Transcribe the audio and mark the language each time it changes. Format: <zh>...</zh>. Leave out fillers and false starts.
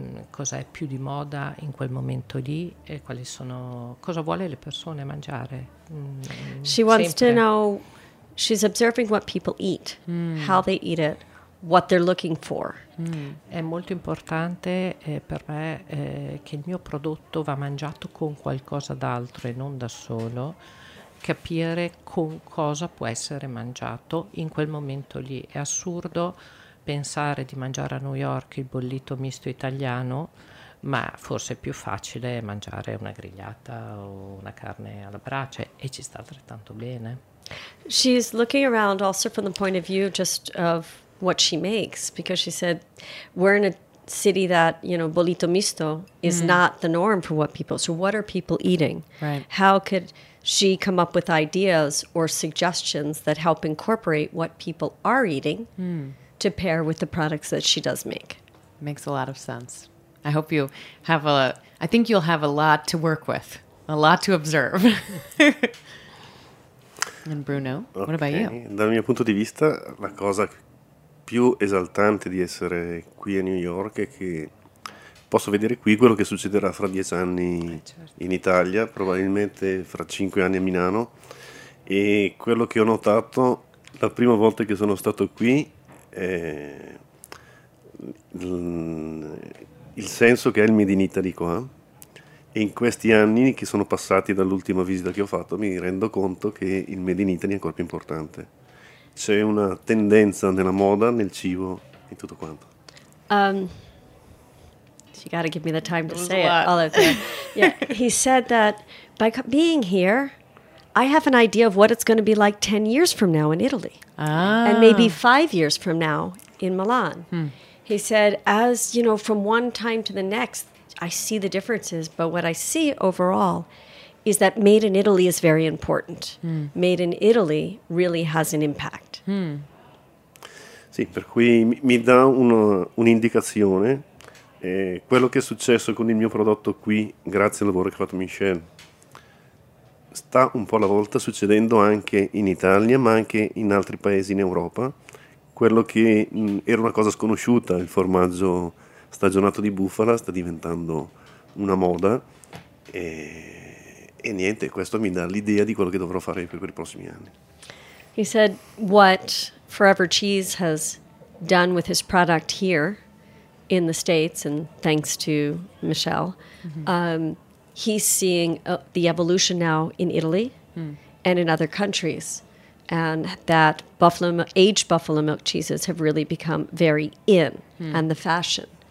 <it>Cosa è più di moda in quel momento lì? Cosa vuole le persone mangiare?</it> <en>She wants to know. She's observing what people eat, how they eat it, what they're looking for.</en> <it>È molto importante per me che il mio prodotto va mangiato con qualcosa d'altro e non da solo, capire con cosa può essere mangiato in quel momento lì. È assurdo pensare di mangiare a New York il bollito misto italiano, ma forse è più facile mangiare una grigliata o una carne alla brace e ci sta altrettanto bene.</it> <en>She's looking around also from the point of view just of what she makes, because she said we're in a city that, you know, bolito misto is not the norm for what people, so what are people eating? Right. How could she come up with ideas or suggestions that help incorporate what people are eating to pair with the products that she does make. Makes a lot of sense. I hope you have a, I think you'll have a lot to work with, a lot to observe. And Bruno, okay, what about you?</en> <it>Dal mio punto di vista, la cosa più esaltante di essere qui a New York è che posso vedere qui quello che succederà fra 10 anni in Italia, probabilmente fra 5 anni a Milano. E quello che ho notato la prima volta che sono stato qui è il senso che è il Made in Italy qua. E in questi anni che sono passati dall'ultima visita che ho fatto mi rendo conto che il Made in Italy è ancora più importante. C'è una tendenza nella moda, nel cibo, in tutto quanto.</it> <en>You gotta give me the time to say it all of that. Yeah, he said that by being here, I have an idea of what it's going to be like 10 years from now in Italy. Ah. And maybe 5 years from now in Milan. Hmm. He said, as you know, from one time to the next, I see the differences. But what I see overall is that made in Italy is very important. Hmm. Made in Italy really has an impact. Hmm.</en> <it>Sì, per cui mi dà un'indicazione. Quello che è successo con il mio prodotto qui, grazie al lavoro che ha fatto Michel, sta un po' alla volta succedendo anche in Italia, ma anche in altri paesi in Europa. Quello che era una cosa sconosciuta, il formaggio stagionato di bufala, sta diventando una moda. E niente, questo mi dà l'idea di quello che dovrò fare per i prossimi anni.</it> <en>He said what Forever Cheese has done with his product here in the States, and thanks to Michelle, mm-hmm. He's seeing the evolution now in Italy and in other countries, and that aged buffalo milk cheeses have really become very in and the fashion,</en>